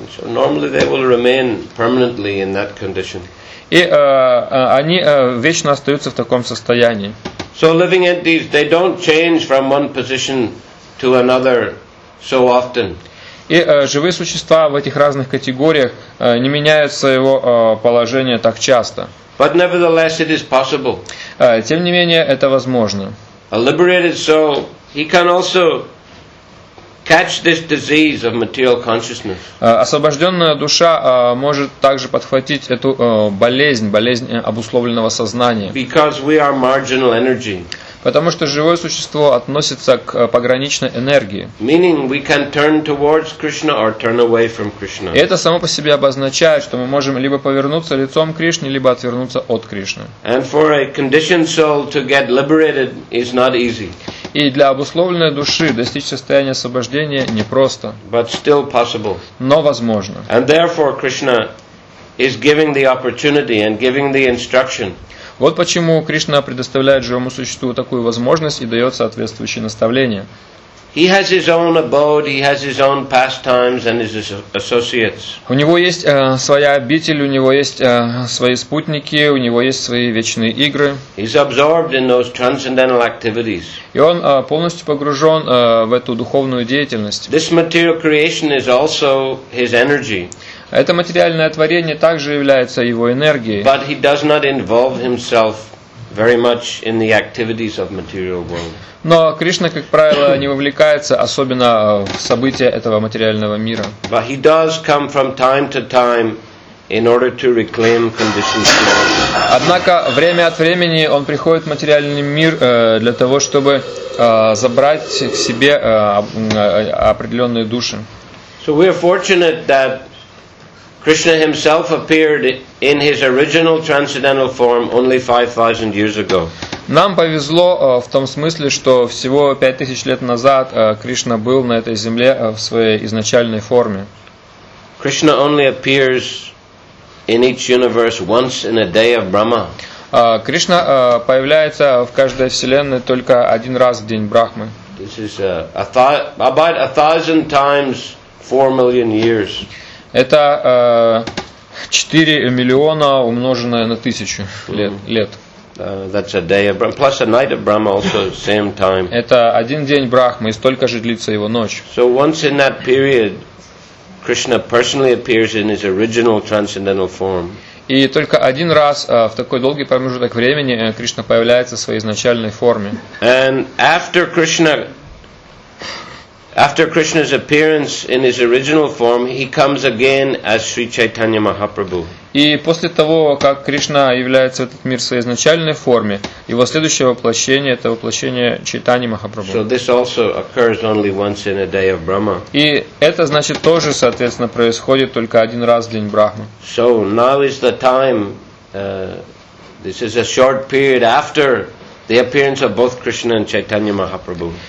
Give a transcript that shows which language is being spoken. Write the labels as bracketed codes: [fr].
[en] So normally they will remain permanently in that condition. [ru] И они вечно остаются в таком состоянии. [en] So living entities, they don't change from one position to another so often. [ru] И живые существа в этих разных категориях не меняют своего положения так часто. [en] But nevertheless, it is possible. [ru] Тем не менее, это возможно. [en] A liberated soul, he can also catch this disease of material consciousness. [ru] Освобожденная душа может также подхватить эту болезнь обусловленного сознания. [en] Because we are marginal energy. [ru] Потому что живое существо относится к пограничной энергии. [en] Meaning we can turn towards Krishna or turn away from Krishna. [ru] И это само по себе обозначает, что мы можем либо повернуться лицом к Кришне, либо отвернуться от Кришны. [en] And for a conditioned soul to get liberated is not easy. [ru] И для обусловленной души достичь состояния освобождения непросто. [en] But still possible. [ru] Но возможно. [en] And therefore Krishna is giving the opportunity and giving the instruction. [ru] Вот почему Кришна предоставляет живому существу такую возможность и дает соответствующие наставления. [en] He has his own abode, he has his own pastimes and his associates. [ru] У него есть своя обитель, у него есть свои спутники, у него есть свои вечные игры. [en] He's absorbed in those transcendental activities. [ru] И он полностью погружен в эту духовную деятельность. [en] This material creation is also his energy. [ru] Это материальное творение также является его энергией. [en] But he does not involve himself very much in the activities of material world. [ru] Но Кришна, как правило, не вовлекается особенно в события этого материального мира. [en] But he does come from time to time in order to reclaim conditions. [ru] Однако время от времени он приходит в материальный мир для того, чтобы забрать к себе определенные души. [en] So we are fortunate that Krishna himself appeared in his original transcendental form only 5,000 years ago. [ru] Нам повезло в том смысле, что всего 5,000 лет назад Кришна был на этой земле в своей изначальной форме. [en] Krishna only appears in each universe once in a day of Brahma. [ru] Кришна появляется в каждой вселенной только один раз в день Брахмы. [en] This is about 1,000 times 4,000,000 years. [ru] Это 4 миллиона умноженное на 1,000 лет. [en] That's a day of Brahma, plus a night of Brahma also at the same time. [ru] Это один день Брахмы, и столько же длится его ночь. [en] So once in that period, Krishna personally appears in his original transcendental form. [ru] И только один раз в такой долгий промежуток времени Кришна появляется в своей изначальной форме. [en] And after Krishna... After Krishna's appearance in his original form, he comes again as Sri Chaitanya Mahaprabhu. [ru] И после того, как Кришна является в этот мир в своей изначальной форме, его следующее воплощение это воплощение Чайтаньи Махапрабху. [en] So this also occurs only once in a day of Brahma. [ru] И это значит тоже, соответственно, происходит только один раз в день Брахмы. [en] So now is the time. This is a short period after the appearance of both Krishna and Chaitanya Mahaprabhu.